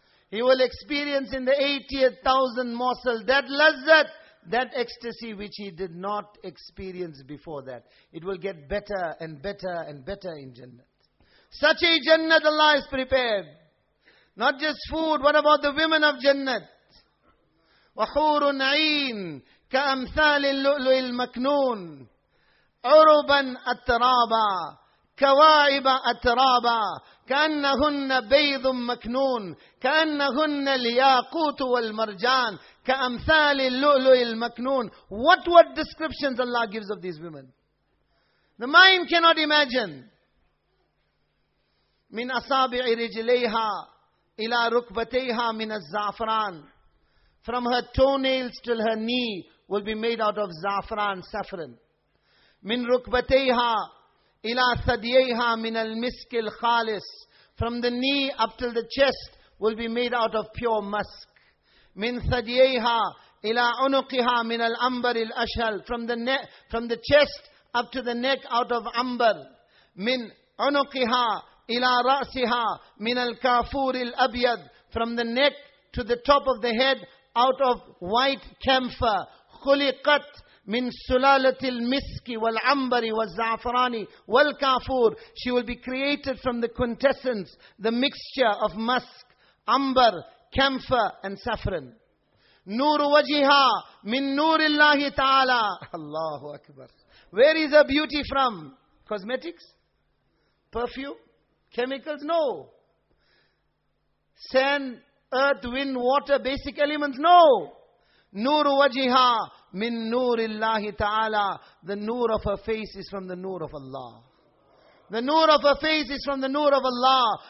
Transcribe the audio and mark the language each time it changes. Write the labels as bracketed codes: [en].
[en] He will experience in the 80,000 morsel that lazzat, that ecstasy which he did not experience before that. It will get better and better and better in Jannah. Such a Jannah Allah has prepared. Not just food, what about the women of Jannah? [ar] وَحُورٌ عِينٌ كَأَمْثَالِ اللُّؤْلُؤِ الْمَكْنُونَ عُرُبًا أَتْرَابًا كَوَاعِبَ أَتْرَابًا كَأَنَّهُنَّ بَيْضٌ مَكْنُونَ كَأَنَّهُنَّ الْيَاقُوتُ وَالْمَرْجَانِ كَأَمْثَالِ اللُّؤْلُؤِ الْمَكْنُونَ [en] What descriptions Allah gives of these women? The mind cannot imagine. [ar] مِنْ أَصَابِعِ رِجْلَيْهَا إِلَى رُكْبَتَيْهَا مِنَ الزَّعْفْرَانِ [en] From her toenails till her knee will be made out of zafran, saffron. [ar] مِنْ رُكْبَتَيْهَا إِلَى ثَدْيَيْهَا مِنَ الْمِسْكِ الْخَالِصِ [en] From the knee up till the chest will be made out of pure musk. [ar] مِنْ ثَدْيَيْهَا إِلَى عُنُقِهَا مِنَ الْأَمْبَرِ الْأَشْهَلِ [en] From the chest up to the neck out of amber. [ar] مِنْ عُنُقِهَا إِلَى رَأْسِهَا مِنَ الْكَافُورِ الْأَبْيَدِ [en] From the neck to the top of the head out of white camphor. [ar] خُلِقَتْ مِنْ سُلَالَةِ الْمِسْكِ وَالْعَمْبَرِ وَالزَّعْفَرَانِ وَالْكَافُورِ [en] She will be created from the quintessence, the mixture of musk, amber, camphor and saffron. [ar] نُورُ وَجِهَا مِنْ نُورِ اللَّهِ تَعَالَى Allahu Akbar. [en] Where is her beauty from? Cosmetics? Perfume? Chemicals? No. Sand, earth, wind, water, basic elements? No. [ar] Nuru wajiha min nurillahi ta'ala. [en] The nur of her face is from the nur of Allah. The nur of her face is from the nur of Allah.